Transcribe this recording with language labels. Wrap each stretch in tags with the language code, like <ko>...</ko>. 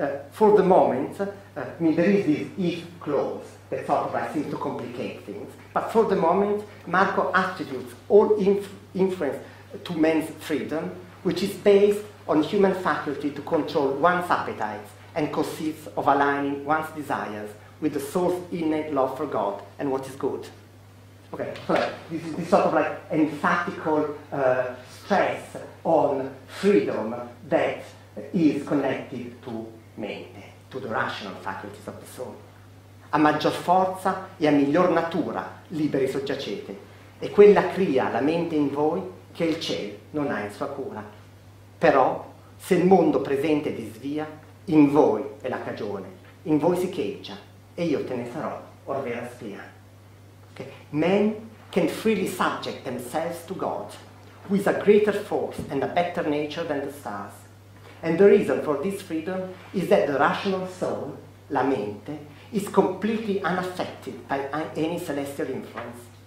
<en>For the moment, I mean, there is this if clause that sort of like seems to complicate things, but for the moment, Marco attributes all inference to man's freedom, which is based on human faculty to control one's appetites and consists of aligning one's desires with the soul's innate love for God and what is good. Okay, so like, this is this sort of like emphatical stress on freedom that is connected to mente, to the rational faculties of the soul.</en> <it>A maggior forza e a miglior natura liberi soggiacete, e quella cria la mente in voi che il ciel non ha in sua cura. Però, se il mondo presente disvia, in voi è la cagione, in voi si cheggia, e io te ne sarò or vera spia.</it> <en>Men can freely subject themselves to God, who is a greater force and a better nature than the stars. And the reason for this freedom is that the rational soul, la mente, is completely unaffected by any celestial influence.</en>